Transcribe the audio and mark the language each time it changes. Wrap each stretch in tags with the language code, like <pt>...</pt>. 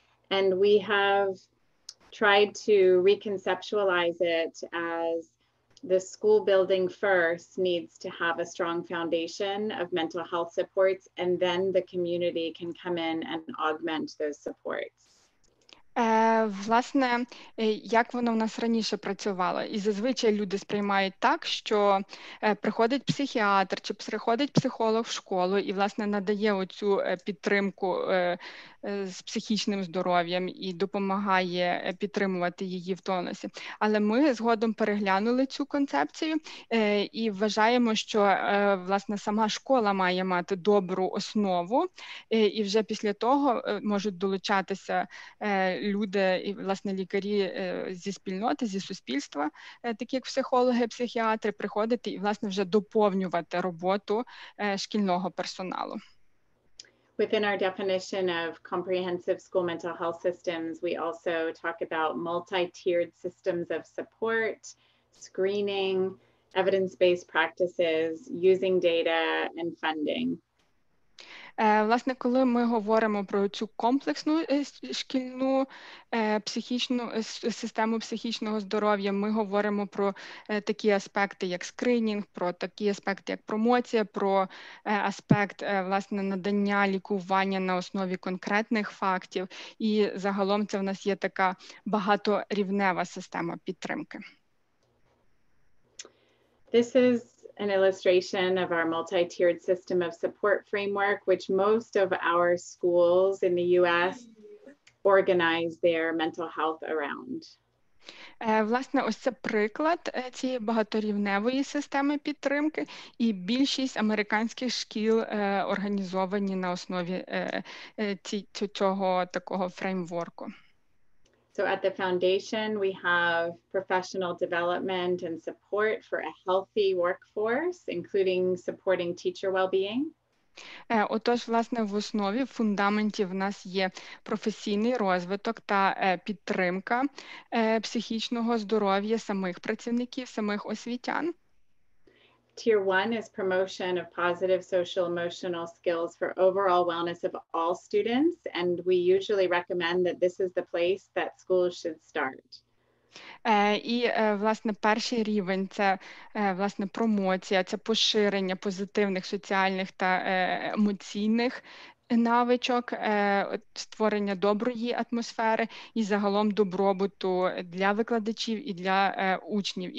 <en>And we have tried to reconceptualize it as the school building first needs to have a strong foundation of mental health supports, and then the community can come in and augment those supports.</en> <uk>Власне, як воно в нас раніше працювало? І зазвичай люди сприймають так, що приходить психіатр чи приходить психолог в школу і, власне, надає оцю підтримку з психічним здоров'ям і допомагає підтримувати її в тонусі. Але ми згодом переглянули цю концепцію і вважаємо, що, власне, сама школа має мати добру основу і вже після того можуть долучатися люди і, власне, лікарі зі спільноти, зі суспільства, такі як психологи, психіатри, приходити і, власне, вже доповнювати роботу шкільного персоналу.</uk> <en>Within our definition of comprehensive school mental health systems, we also talk about multi-tiered systems of support, screening, evidence-based practices, using data and funding.</en> <uk>Власне, коли ми говоримо про цю комплексну шкільну психічну систему психічного здоров'я, ми говоримо про такі аспекти, як скринінг, про такі аспекти, як промоція, про аспект, власне, надання лікування на основі конкретних фактів. І загалом це в нас є така багаторівнева система підтримки.</uk> <en>This is an illustration of our multi-tiered system of support framework, which most of our schools in the US organize their mental health around.</en> <uk>Власне, ось це приклад цієї багаторівневої системи підтримки, і більшість американських шкіл організовані на основі цього такого фреймворку.</uk> <en>So at the foundation, we have professional development and support for a healthy workforce, including supporting teacher well-being.</en> <uk>Отож, власне, в основі, в фундаменті в нас є професійний розвиток та підтримка психічного здоров'я самих працівників, самих освітян.</uk> <en>Tier one is promotion of positive social emotional skills for overall wellness of all students, and we usually recommend that this is the place that schools should start.</en> <uk>Власне, перший рівень – це, власне, промоція, це поширення позитивних соціальних та емоційних навичок, створення доброї атмосфери і загалом добробуту для викладачів і для учнів.</uk>